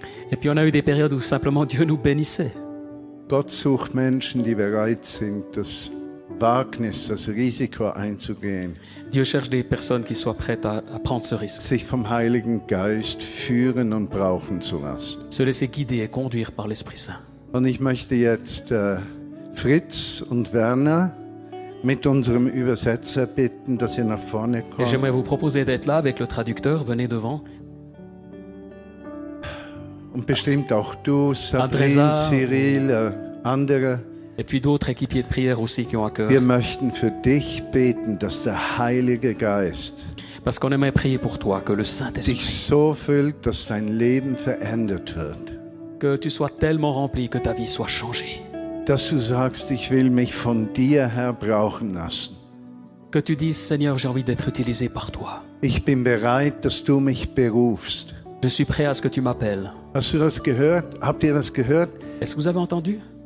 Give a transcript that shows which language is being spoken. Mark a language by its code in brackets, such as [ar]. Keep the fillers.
[fr] Et puis on a eu des périodes où simplement Dieu nous bénissait. [de] Gott sucht Menschen, die bereit sind, das Wagnis, das Risiko einzugehen. [fr] Dieu cherche des personnes qui soient prêtes à, à prendre ce risque. [de] Sich vom Heiligen Geist führen und brauchen zu lassen. [fr] Se laisser guider et conduire par l'Esprit Saint. [de] Und ich möchte jetzt äh, Fritz und Werner mit unserem Übersetzer bitten, dass sie nach vorne kommen. [fr] J'aimerais vous proposer d'être là avec le traducteur. [de] Und bestimmt auch du, Sabrina, Cyril, äh, andere. [fr] Et puis d'autres équipiers de prière aussi qui ont à cœur. [de] Wir möchten für dich beten, dass der Heilige Geist [fr] Parce qu'on aimerait prier pour toi, que le Saint-Esprit [de] so füllt, dass dein Leben verändert wird. [fr] que tu sois tellement rempli que ta vie soit changée. [de] Dass du sagst, ich will mich von dir her brauchen lassen. [fr] Que tu dis Seigneur, j'ai envie d'être utilisé par toi. [de] Ich bin bereit, dass du mich berufst. [fr] Je suis prêt que tu m'appelles. [de] Hast du das gehört? Habt ihr das gehört? Habt ihr das gehört? [fr] Est-ce que vous avez entendu?